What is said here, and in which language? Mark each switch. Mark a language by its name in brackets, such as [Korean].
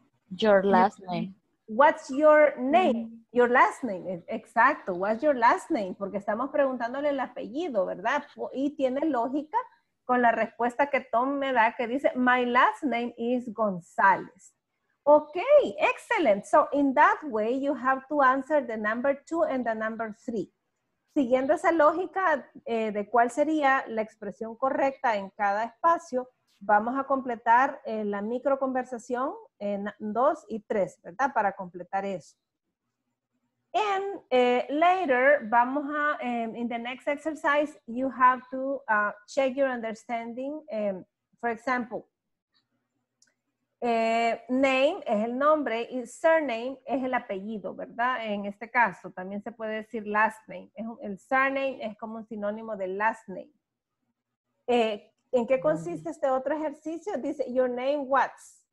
[English] Your last name. What's your name? Your last name. Exacto. What's your last name? [Spanish] Porque estamos preguntándole el apellido, ¿verdad? Y tiene lógica con la respuesta que Tom me da, que dice, [English] my last name is González. Okay, excellent. So in that way, you have to answer the number 2 and the number 3. [Spanish] Siguiendo esa lógica de cuál sería la expresión correcta en cada espacio, vamos a completar la micro conversación en 2 y 3, ¿verdad? Para completar eso. [English] And later, [Spanish] vamos a, [English] in the next exercise, you have to check your understanding. For example, [Spanish] name es el nombre y surname es el apellido, ¿verdad? En este caso también se puede decir last name. El surname es como un sinónimo de last name. ¿En qué consiste este otro ejercicio? Dice, [English] your name what's.